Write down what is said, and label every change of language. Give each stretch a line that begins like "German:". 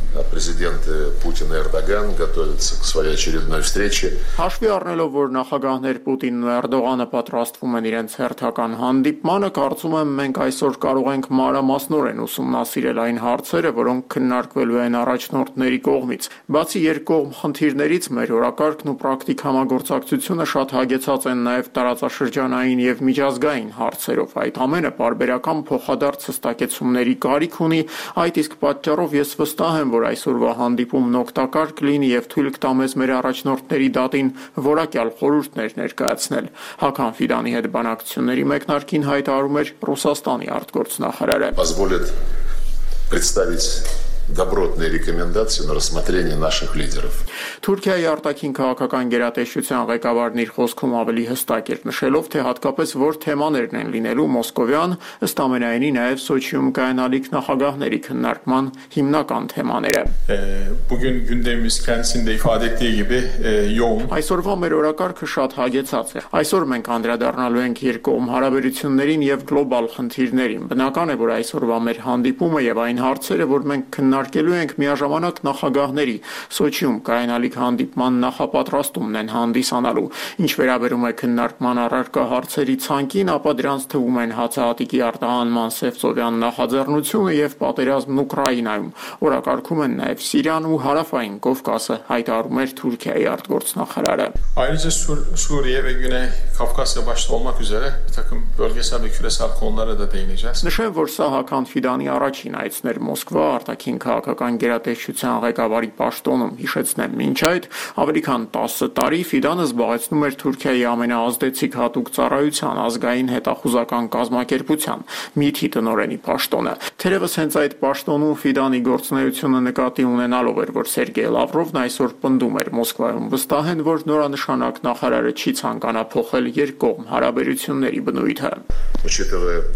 Russian: Президент Путин и Эрдоган готовятся к своей очередной встрече.
Armenian: Հաշվի առնելով, որ նախագահներ Պուտինն ու Էրդողանը պատրաստվում են իրենց հերթական հանդիպմանը, կարծում եմ մենք այսօր կարող ենք մանրամասնորեն ուսումնասիրել այն հարցերը, որոնք քննարկվելու են առաջնորդների կողմից։ Բացի երկկողմ խնդիրներից, մեր օրակարգն ու պրակտիկ համագործակցությունը շատ հագեցած են նաև տարածաշրջանային և միջազգային հարցերով։ Այդ ամենը պարբերական փոխադարձ հստակեցումների կարիք ունի, այդ իսկ պատճառով ես վստահ եմ, որ այսօրվա հանդիպումն օգտակար կլինի եւ թույլ կտամես մեր առաջնորդների դատին որակյալ խորհուրդներ ներկայացնել։ Հաքան Ֆիդանի հետ բանակցությունների մեկնարկին հայտարարում էր Ռուսաստանի արտգործնախարարը։
Russian: Позволит представить добротные рекомендации на рассмотрение наших лидеров.
Armenian: Թուրքիայի արտաքին քաղաքական գերատեսչության ղեկավարն իր խոսքում ավելի հստակ էր նշելով, թե հատկապես որ թեմաներն են լինելու մոսկովյան, ըստ ամենայնի նաև Սոչիում կայանալիք նախագահների քննարկման հիմնական թեմաները։
Turkish: Bugün gündemimiz kendisinde ifade ettiği gibi yoğun.
Armenian: Այսօրվա մեր օրակարգը շատ հագեցած է։ Այսօր մենք անդրադառնալու ենք երկկողմ հարաբերություններին եւ գլոբալ խնդիրներին։ Բնական է, որ այսօրվա մեր հանդիպումը եւ այն հարցերը, որ մենք քննարկելու ենք միաժամանակ նախագահների Սոչիում կայանալիք հանդիպման նախապատրաստումն են հանդիսանալու։ Ինչ վերաբերում է քննարկման առարկա հարցերի ցանկին, ապա դրանց թվում են հացահատիկի արտահանման Սևծովյան նախաձեռնությունը եւ պատերազմն Ուկրաինայում։ Օրակարգում են նաեւ Սիրիան ու Հարավային Կովկասը, հայտարարում էր Թուրքիայի արտգործնախարարը։
Turkish: Այնպես Սուրիա եւ Գյուրե Կովկասը başta olmak üzere bir takım bölgesel ve küresel konulara da değineceğiz։
Armenian: Նշեմ, որ սա Հաքան Ֆիդանի առաջին այցն էր Մոսկվա արտաքին քաղաքական գերատեսչության ղեկավարի պաշտոնում։ Հիշեցնեմ, ինչ այդ ավելի քան 10 տարի Ֆիդանը զբաղեցնում էր Թուրքիայի ամենաազդեցիկ հատուկ ծառայության ազգային հետախուզական կազմակերպության Միթի տնօրենի պաշտոնը։ Թերևս հենց այդ պաշտոնում Ֆիդանի գործունեությունը նկատի ունենալով էր, որ Սերգեյ Լավրովն այսօր պնդում էր Մոսկվայում վստահեն, որ նորանշանակ նախարարը չի ցանկանա փոխել երկկողմ հարաբերությունների բնույթը։